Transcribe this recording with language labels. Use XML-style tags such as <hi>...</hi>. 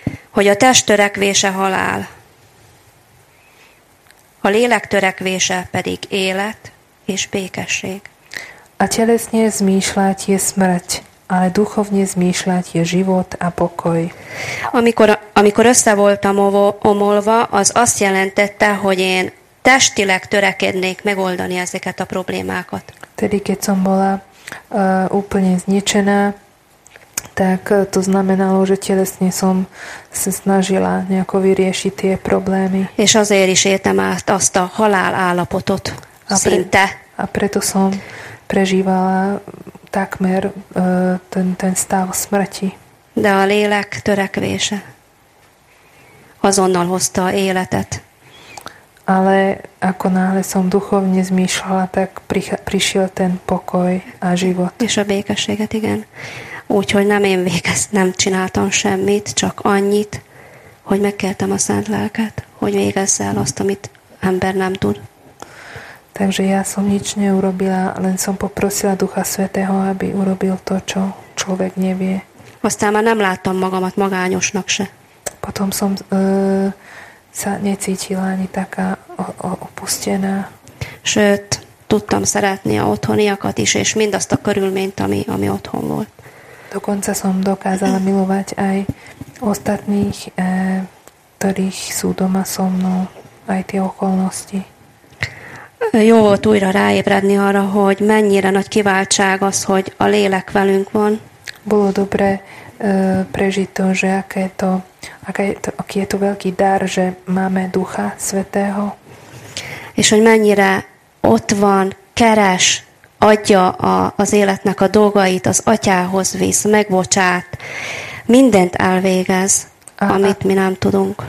<hu>Hogy a test törekvése halál, a lélek törekvése pedig élet és békesség.</hu> <sk>A telesne zmýšľať je smrť, ale duchovne zmýšľať je život a pokoj.</sk> <hu>Amikor össze voltam omolva, az azt jelentette, hogy én testileg törekednék megoldani ezeket a problémákat.</hu> <sk>Tedy, keď som bola úplne zničená, tak to znamenalo, že telesne som sa snažila nejako vyriešiť tie problémy.</sk> <hu>És azért is értem át azt a halál állapotot szinte.</hu> <sk>A preto som prežívala takmer ten stav smrti.</sk> <hu>De a lélek törekvése azonnal hozta életet.</hu> <sk>Ale ako náhle som duchovne zmýšľala, tak prišiel ten pokoj a život.</sk> <hu>És a békességet, igen. Úgyhogy nem én végeztem, nem csináltam semmit, csak annyit, hogy megkértem a Szent Lelket, hogy végezze el azt, amit ember nem tud.</hu> <sk>Takže ja som nič neurobila, len som poprosila Ducha Svätého, aby urobil to, čo človek nevie.</sk> <hu>Aztán már nem láttam magamat magányosnak se.</hu> <sk>Potom som sa necítila ani taká opustená.</sk> <hu>Sőt, tudtam szeretni a otthoniakat is, és mindazt a körülményt, ami otthon volt.</hu> <sk>Dokonca som dokázala milovať aj ostatných, ktorých sú doma so mnou, aj tie okolnosti.</sk> <hu>Jó volt újra ráébredni arra, hogy mennyire nagy kiváltság az, hogy a lélek velünk van.</hu> <sk>Bolo dobre prežiť to, že aký je to veľký dar, že máme Ducha Svätého.</sk> <hu>És hogy mennyire ott van, keres, adja az életnek a dolgait, az Atyához visz, megbocsát, mindent elvégez, amit mi nem tudunk.</hu>